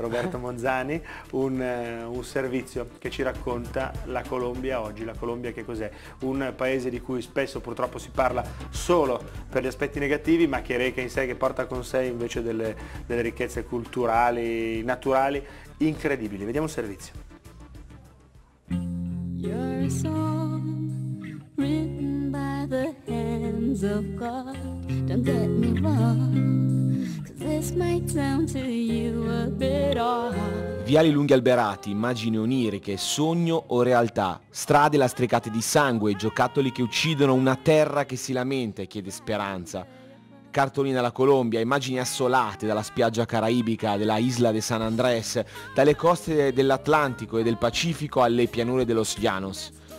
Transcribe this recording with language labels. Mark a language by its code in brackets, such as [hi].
[it] Roberto Monzani, un servizio che ci racconta la Colombia oggi. La Colombia, che cos'è? Un paese di cui spesso purtroppo si parla solo per gli aspetti negativi, ma che reca in sé, che porta con sé invece delle ricchezze culturali, naturali, incredibili. Vediamo il servizio. [en] Your song, written by the hands of God. Don't get me wrong, this might sound to you a bit odd. [it] Viali lunghi alberati, immagini oniriche, sogno o realtà, strade lastricate di sangue, giocattoli che uccidono, una terra che si lamenta e chiede speranza. Cartolina alla Colombia, immagini assolate dalla spiaggia caraibica, della isla de San Andrés, dalle coste dell'Atlantico e del Pacifico alle pianure de los Llanos.